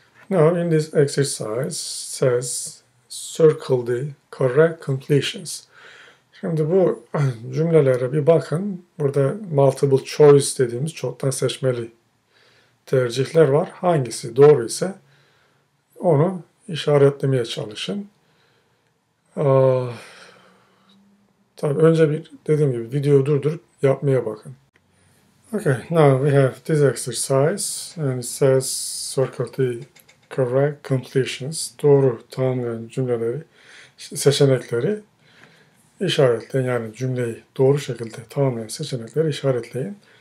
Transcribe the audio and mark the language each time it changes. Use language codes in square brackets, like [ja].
[en] Now in this exercise says circle the correct completions. [tr] Şimdi bu cümlelere bir bakın. Burada multiple choice dediğimiz çoktan seçmeli tercihler var. Hangisi doğru ise onu işaretlemeye çalışın. Tabii önce bir dediğim gibi videoyu durdurup yapmaya bakın. [en] Okay, now we have this exercise and it says circle the correct completions. [tr] Doğru tanımlayan cümleleri, seçenekleri işaretleyin. Yani cümleyi doğru şekilde tanımlayan seçenekleri işaretleyin.